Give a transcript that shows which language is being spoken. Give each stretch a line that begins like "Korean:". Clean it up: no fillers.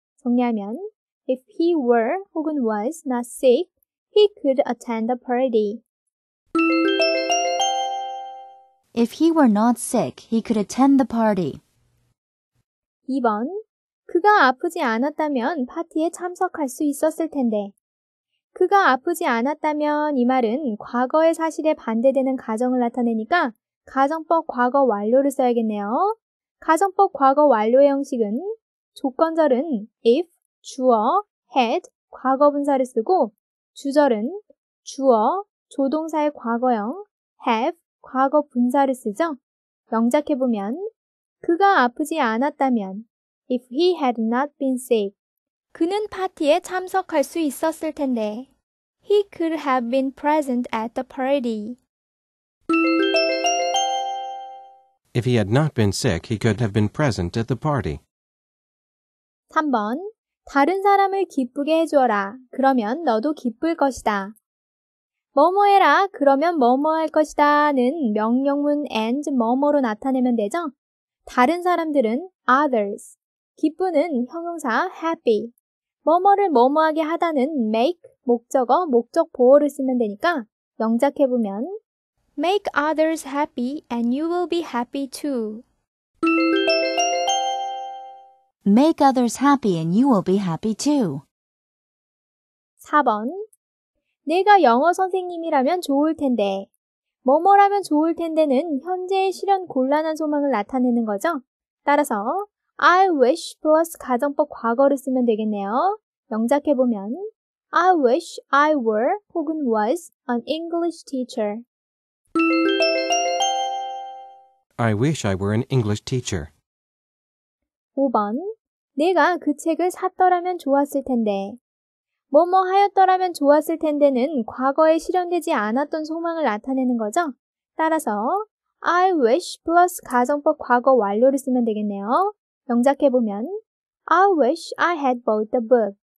Korean: 정리하면
English: if he were
Korean: 혹은
English: was not sick, He could attend the party. If he were not sick, he could attend the party.
Korean: 2번 그가 아프지 않았다면 파티에 참석할 수 있었을 텐데 그가 아프지 않았다면 이 말은 과거의 사실에 반대되는 가정을 나타내니까 가정법 과거 완료를 써야겠네요. 가정법 과거 완료의 형식은 조건절은 if, 주어, had, 과거분사를 쓰고 주절은 주어, 조동사의 과거형, have, 과거 분사를 쓰죠. 명작해보면 그가 아프지 않았다면
English: If he had not been sick,
Korean: 그는 파티에 참석할 수 있었을 텐데
English: He could have been present at the party. If he had not been sick, he could have been present at the party.
Korean: 3번 다른 사람을 기쁘게 해주어라. 그러면 너도 기쁠 것이다. 뭐뭐 해라. 그러면 뭐뭐 할 것이다. 는 명령문 and 뭐뭐로 나타내면 되죠? 다른 사람들은 others. 기쁘는 형용사 happy. 뭐뭐를 뭐뭐하게 하다는 make, 목적어, 목적 보호를 쓰면 되니까 명작해보면
English: Make others happy and you will be happy too. Make others happy and you will be happy too.
Korean: 4번 내가 영어 선생님이라면 좋을 텐데 뭐뭐라면 좋을 텐데는 현재의 실현 곤란한 소망을 나타내는 거죠. 따라서 I wish 플러스 가정법 과거를 쓰면 되겠네요. 명작해보면
English: I wish I were
Korean: 혹은
English: was an English teacher. I wish I were an English teacher.
Korean: 5번 내가 그 책을 샀더라면 좋았을 텐데 뭐뭐 하였더라면 좋았을 텐데는 과거에 실현되지 않았던 소망을 나타내는 거죠. 따라서 I wish 플러스 가정법 과거 완료를 쓰면 되겠네요. 명작해보면
English: I wish I had bought the book.